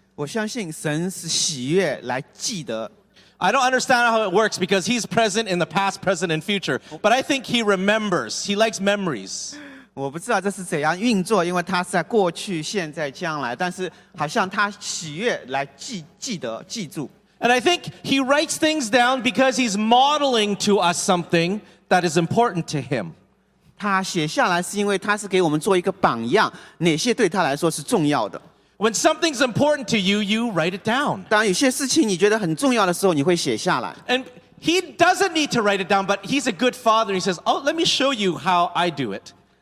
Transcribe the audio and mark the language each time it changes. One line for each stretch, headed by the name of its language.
Chinese: 我相信神是喜悦来记得。
English: I don't understand how it works because he's present in the past, present, and future. But I think he remembers. He likes memories.
Chinese: 我不知道这是怎样运作，因为他是在过去、现在、将来，但是好像他喜悦来记得、记住。
English: And I think he writes things down because he's modeling to us something that is important to him.
Chinese: 他写下来是因为他是给我们做一个榜样，哪些对他来说是重要的。
English: When something's important to you, you write it down.
Chinese: 当有些事情你觉得很重要的时候，你会写下来。
English: And he doesn't need to write it down, but he's a good father. He says, oh, let me show you how I do it.